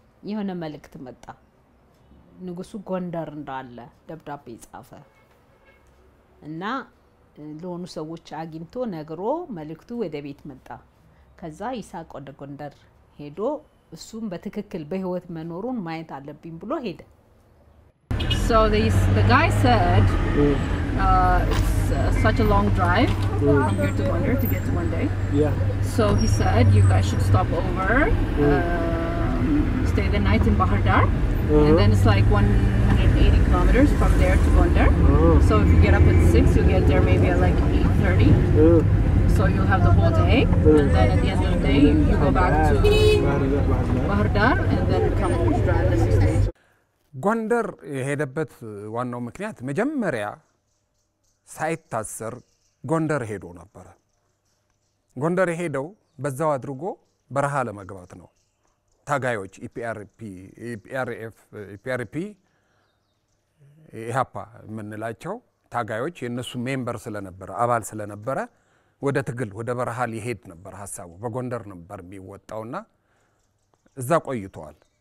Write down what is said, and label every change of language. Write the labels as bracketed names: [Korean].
[Amharic] የሆነ መልእክት መጣ። ንጉሱ ጎንደር እንዳለ ደብዳቤ ጻፈ እና ለሆኑ ሰዎች አግኝቶ ነግሮ መልእክቱ ወደ ቤት መጣ። ከዛ ይሳቅ ወደ ጎንደር ሄዶ እሱም በትክክል በህይወት መኖሩን ማየት አለብኝ ብሎ ሄደ። [English] So the guy said it's such a long drive from here to Gondar to get to one day. Yeah. So he said you guys should stop over, stay the night in Bahar Dar. Uh-huh. And then it's like 180 kilometers from there to Gondar. Uh-huh. So if you get up at 6, you'll get there maybe at like 8:30. So you'll have the whole day. And then at the end of the day, you go back to Bahar Dar and then come home to drive the 6 days. [Amharic] ጓንደር የሄደበት ዋናው ምክንያት መጀመሪያ ሳይታሰር ጓንደር ሄዶ ነበር። ጓንደር ሄደው በዛው አድርጎ በረሃ ለመግባት ነው። ታጋዮች ኢፒአርፒ ኢሃፓ ምንላቸው ታጋዮች የነሱ ሜምበር ስለነበረ አባል ስለነበረ ወደ ትግል ወደ በረሃ ሊሄድ ነበር ሐሳቡ። በጓንደር ነበር የሚወጣውና እዛ ቆይቷል።